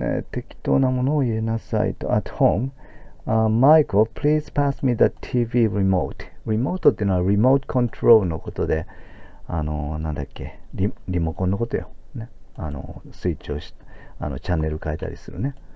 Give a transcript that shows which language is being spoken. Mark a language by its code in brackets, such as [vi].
[ja] 適当なものを入れなさいと。 [en] At home, Michael, please pass me the TV remote. [ja] リモートっていうのはリモートコントロールのことで、なんだっけ？リモコンのことよ。ね、スイッチをし、チャンネル変えたりするね。